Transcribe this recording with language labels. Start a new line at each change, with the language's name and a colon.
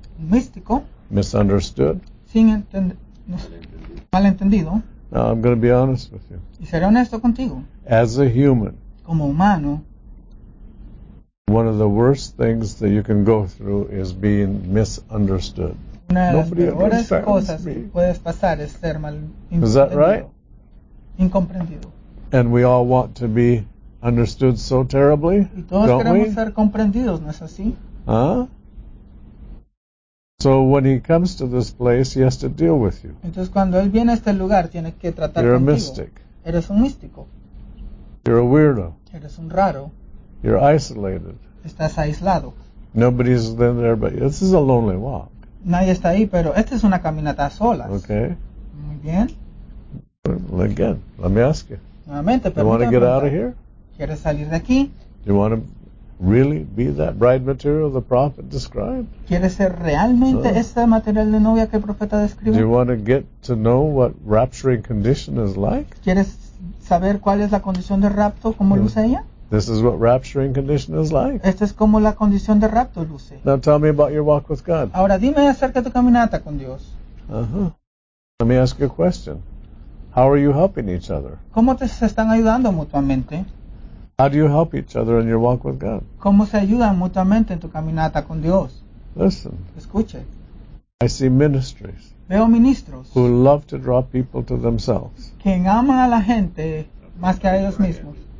Spanish: Un místico.
English: Misunderstood.
Spanish: Sin malentendido.
English: No, I'm going to be honest with you.
Spanish: Y seré honesto contigo.
English: As a human.
Spanish: Como humano.
English: One of the worst things that you can go through is being misunderstood.
Spanish: Una de las peores cosas que puedes pasar es ser mal entendido.
English: Is that right?
Spanish: Incomprendido.
English: And we all want to be understood so terribly,
Spanish: y todos
English: don't
Spanish: queremos
English: we?
Spanish: Ser comprendidos, ¿no es así?
English: Huh? So when he comes to this place, he has to deal with you.
Spanish: Entonces cuando él viene a este lugar, tiene que tratar
English: You're
Spanish: contigo.
English: A mystic.
Spanish: Eres un místico.
English: You're a weirdo.
Spanish: Eres un raro.
English: You're isolated.
Spanish: Estás aislado.
English: Nobody's there, but this is a lonely walk.
Spanish: Nadie está ahí, pero esta es una caminata a solas.
English: Okay.
Spanish: Muy bien.
English: Again, let me ask you.
Spanish: Nuevamente,
English: you want to get out of here?
Spanish: ¿Quieres salir de aquí?
English: Do you want to really be that bride material the prophet described?
Spanish: ¿Quieres ser realmente ese material de novia que el profeta describe?
English: Do you want to get to know what rapturing condition is like?
Spanish: ¿Quieres saber cuál es la condición de rapto, cómo luce ella?
English: This is what rapturing condition is like.
Spanish: Esta es como la condición de rapto luce.
English: Now tell me about your walk with God.
Spanish: Ahora dime acerca de tu caminata con Dios.
English: Uh-huh. Let me ask you a question. How are you helping each other?
Spanish: ¿Cómo te están ayudando mutuamente?
English: How do you help each other in your walk with God?
Spanish: ¿Cómo se ayudan mutuamente en tu caminata con Dios?
English: Listen.
Spanish: Escuche.
English: I see ministries.
Spanish: Veo ministros.
English: Who love to draw people to themselves.
Spanish: Quien aman a la gente más que a ellos mismos.